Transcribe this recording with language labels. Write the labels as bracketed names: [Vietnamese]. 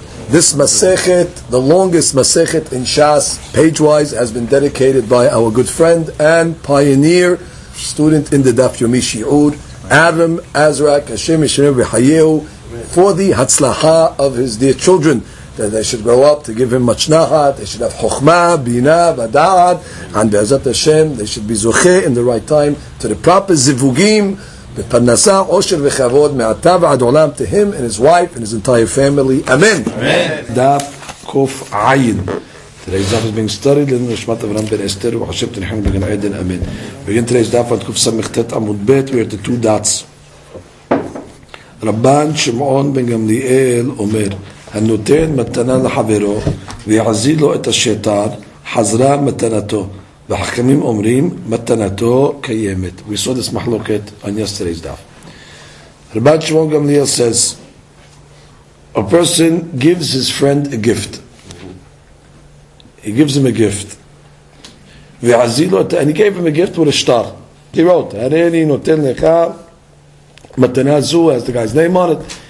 [English] This Masechet, the longest Masechet in Shas, page-wise, has been dedicated by our good friend and pioneer student in the Daf Yomi Shi'ur, Adam Azrak Hashem Yishmeru V'chayehu, for the Hatzlaha of his dear children, that they should grow up to give him much nahat, they should have chokhmah, binah, vada'at, and be'ezrat Hashem, they should be zuche in the right time to the proper zivugim, b'parnasa, osher v'chavod, me'ata v'ad olam, to him and his wife and his entire family. Amen. Amen. [Hebrew] Daf kuf ayin. [English] Today's daf is being studied in the Shmat Avram ben Esther, v'hashem t'nechem b'gan ayden, amen. Begin today's daf at kuf samichtet amud bet, we are the two dots. [Hebrew] Rabban Shimon ben Gamliel Omer, הנותן מתנה לחברו ויעזיל לו את השטר חזרה מתנתו והחכמים אומרים מתנתו קיימת. [English] We saw this מחלוקת on yesterday's daf. רבן שמעון גמליאל says, a person gives his friend a gift. He gives him a gift. ויעזיל לו את... And he gave him a gift with a star. He wrote, הרי אני נותן לך מתנה זו, as the guy's name on it.